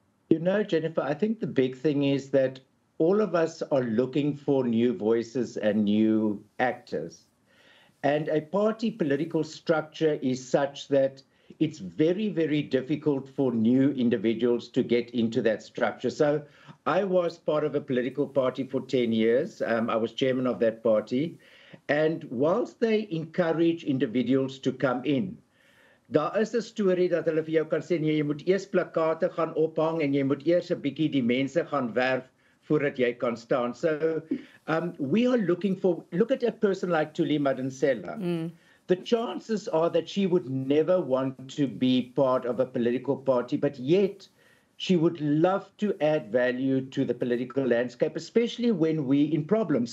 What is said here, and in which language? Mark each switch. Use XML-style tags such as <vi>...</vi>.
<en>You know, Jennifer, I think the big thing is that all of us are looking for new voices and new actors. And a party political structure is such that it's very, very difficult for new individuals to get into that structure. So I was part of a political party for 10 years. I was chairman of that party. And whilst they encourage individuals to come in,</en> <af>daar is 'n storie dat hulle vir jou kan sê, nee, jy moet eers plakate gaan ophang en jy moet eers 'n bietjie die mense gaan werf voordat jy kan staan.</af> <en>So we are looking for, look at a person like Tuli Madonsela. Mm. The chances are that she would never want to be part of a political party, but yet she would love to add value to the political landscape, especially when we in problems.</en>